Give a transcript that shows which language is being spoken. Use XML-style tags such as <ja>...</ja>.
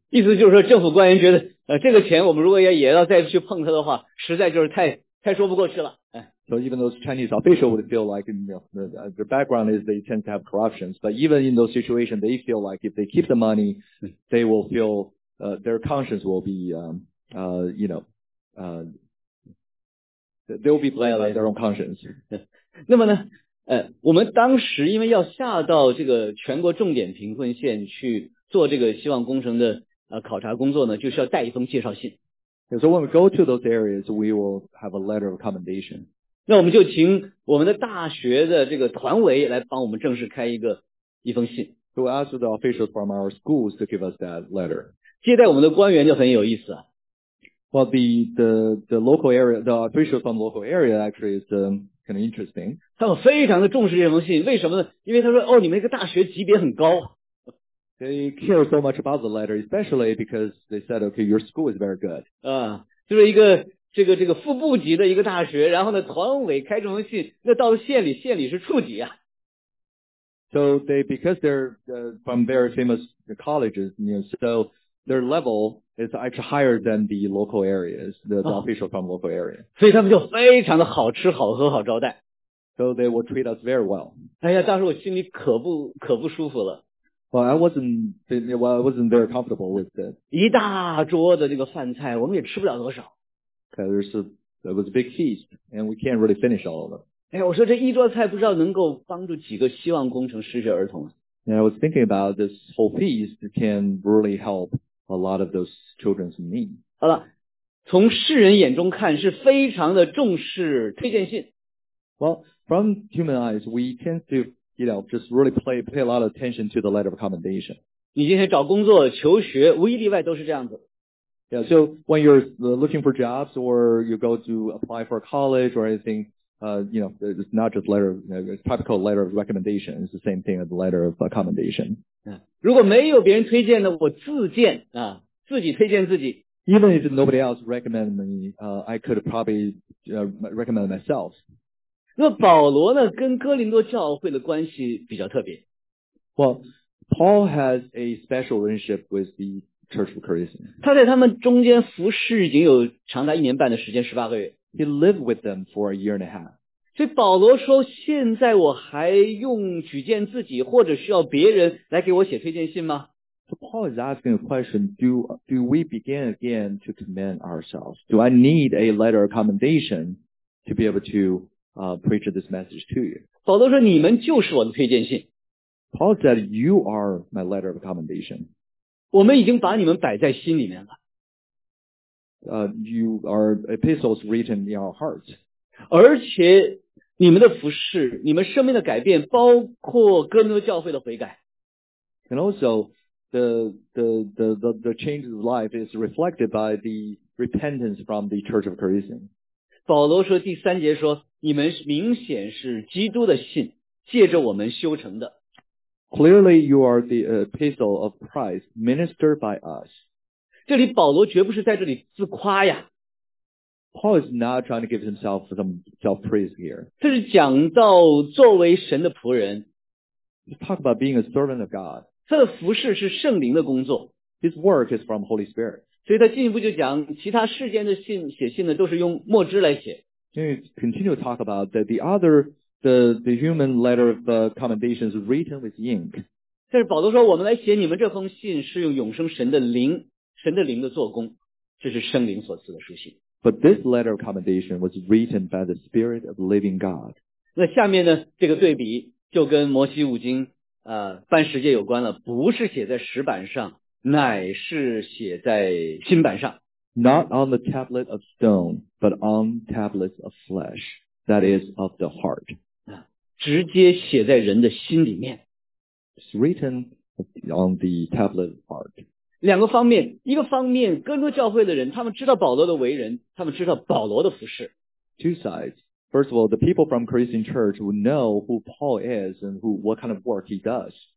<zh>意思就是说政府官员觉得这个钱我们如果也要再去碰它的话实在就是太说不过去了。</zh> <en>So even those Chinese officials would feel like, their background is they tend to have corruptions, but even in those situations, they feel like if they keep the money, they will feel, their conscience will be, they'll be blamed by their own conscience.</en> <zh>那么呢我们当时因为要下到这个全国重点贫困县去做这个希望工程的考察工作呢，就是要带一封介绍信。</zh> <en>Yeah, so when we go to those areas, we will have a letter of recommendation.</en> <zh>那我们就请我们的大学的这个团委来帮我们正式开一封信。</zh> <en>So we ask the officials from our schools to give us that letter.</en> <zh>接待我们的官员就很有意思啊。</zh> <en>Well, the local area, the officials from the local area actually is kind of interesting.</en> <zh>他们非常的重视这封信，为什么呢？因为他说，哦，你们这个大学级别很高。</zh> <en>They care so much about the letter, especially because they said, okay, your school is very good.</en> <zh>就是一个这个副部级的一个大学，然后呢，团委开这封信，那到了县里是处级啊。</zh> <en>So they, because they're from very famous colleges, so their level is actually higher than the local areas, the official from local area.</en> <zh>所以他们就非常的好吃好喝好招待。</zh> <en>So they will treat us very well.</en> <zh>哎呀，当时我心里可不舒服了。</zh> <en>Well, I wasn't very comfortable with it.</en> <zh>一大桌的那个饭菜，我们也吃不了多少。</zh> <en>Okay, it was a big feast, and we can't really finish all of it.</en> <zh>哎呀，我说这一桌菜不知道能够帮助几个希望工程失学儿童。</zh> <en>And I was thinking about this whole feast can really help a lot of those children's need.</en> <zh>好了，从世人眼中看是非常的重视推荐信。</zh> <en>Well, from human eyes, we tend to, just really pay a lot of attention to the letter of recommendation.</en> <zh>你今天找工作、求学，无一例外都是这样子。</zh> <en>Yeah, so when you're looking for jobs or you go to apply for a college or anything, it's not just letter, it's typical letter of recommendation. It's the same thing as the letter of recommendation.</en> <zh>如果没有别人推荐的，我自荐啊，自己推荐自己。</zh> <en>Even if nobody else recommended me, I could probably recommend myself.</en> <zh>那保罗呢跟哥林多教会的关系比较特别。</zh> <en>Well, Paul has a special relationship with the church of Corinthians.</en> <zh>他在他们中间服侍已经有长达一年半的时间，十八个月。</zh> <en>He lived with them for a year and a half.</en> <zh>所以保罗说，现在我还用举荐自己，或者需要别人来给我写推荐信吗？</zh> <en>So Paul is asking a question, do we begin again to commend ourselves? Do I need a letter of commendation to be able to preach this message to you?</en> <zh>保罗说你们就是我的推荐信。</zh> <en>Paul said, you are my letter of commendation.</en> <zh>我们已经把你们摆在心里面了。</zh> <en>You are epistles written in our hearts.</en> <zh>而且你们的服侍，你们生命的改变，包括哥林多教会的悔改。</zh> <en>And also,The change of life is reflected by the repentance from the Church of Corinthians.</en> <zh>保罗说第三节说你们明显是基督的信借着我们修成的。</zh> <en>Clearly you are the epistle of Christ ministered by us.</en> <zh>这里保罗绝不是在这里自夸呀。</zh> <en>Paul is not trying to give himself some self-praise here.</en> <zh>这是讲到作为神的仆人。</zh> <en>He's talking about being a servant of God.</en> <zh>他的服侍是圣灵的工作。</zh> <en>His work is from Holy Spirit.</en> <zh>所以他进一步就讲，其他世间的信写信呢，都是用墨汁来写。因为</zh> <en>continue to talk about that the other the human letter of commendation is written with ink.</en> <zh>但是保罗说，我们来写你们这封信是用永生神的灵，神的灵的做工，这是圣灵所赐的书信。</zh> <en>But this letter of commendation was written by the Spirit of Living God.</en> <zh>那下面呢，这个对比就跟摩西五经。办十诫有关了，不是写在石板上，乃是写在心板上。</zh> <en>Not on the tablet of stone, but on tablets of flesh, that is of the heart.</en> <zh>直接写在人的心里面。</zh> <en>It's written on the tablet of heart.</en> <zh>两个方面，一个方面，哥林多教会的人，他们知道保罗的为人，他们知道保罗的服事。</zh> <en>Two sides. First of all, the people from Christian church would know who Paul is and who, what kind of work he does.</en>